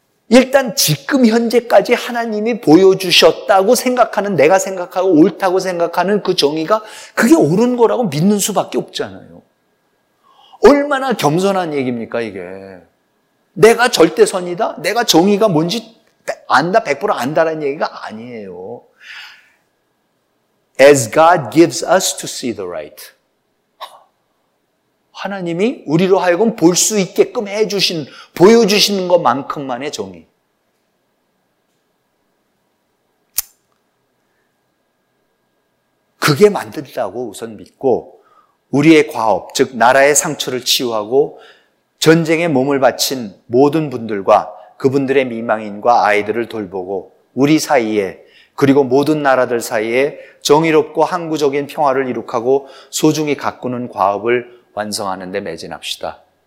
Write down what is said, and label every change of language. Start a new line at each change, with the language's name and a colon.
Korean: 일단 지금 현재까지 하나님이 보여주셨다고 생각하는 내가 생각하고 옳다고 생각하는 그 정의가 그게 옳은 거라고 믿는 수밖에 없잖아요. 얼마나 겸손한 얘기입니까 이게. 내가 절대선이다? 내가 정의가 뭔지 안다, 100% 안다라는 얘기가 아니에요.
English: As God gives us to see the right.
Korean: 하나님이 우리로 하여금 볼 수 있게끔 해주신, 보여주시는 것만큼만의 정의. 그게 만든다고 우선 믿고 우리의 과업, 즉 나라의 상처를 치유하고 전쟁에 몸을 바친 모든 분들과 그분들의 미망인과 아이들을 돌보고 우리 사이에 그리고 모든 나라들 사이에 정의롭고 항구적인 평화를 이룩하고 소중히 가꾸는 과업을 완성하는 데 매진합시다.